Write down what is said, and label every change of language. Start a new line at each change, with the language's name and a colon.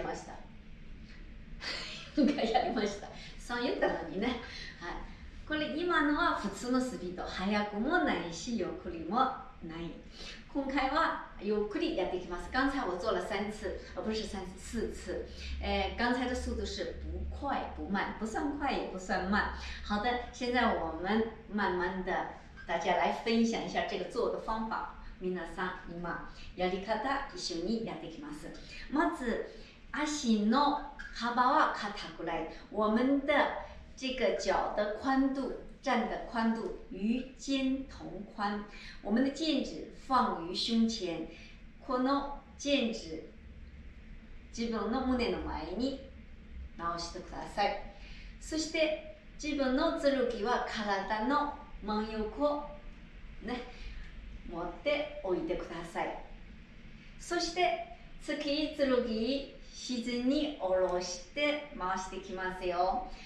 Japanese: 1、2、3、4回やりました。そう言ったのにね、はい、これ今のは普通のスピード、速くもないしゆっくりもない。今回はゆっくりやっていきます。
Chinese: 刚才我做了三次、不是三次、四次、刚才的速度是不快不慢、不算快也不算慢。好的、现在我们慢慢的大家来分享一下这个做的方法。
Japanese: 皆さん、今やり方一緒にやっていきます。まず足の幅は肩ぐらい。
Chinese: 我们的这个脚的宽度、站的宽度与肩同宽。我们的剑指放于胸前。
Japanese: この剑指自分の胸の前に直してください。そして自分の剣は体の真横ね。持っておいてください。そして月一ロギー自然に下ろして回してきますよ。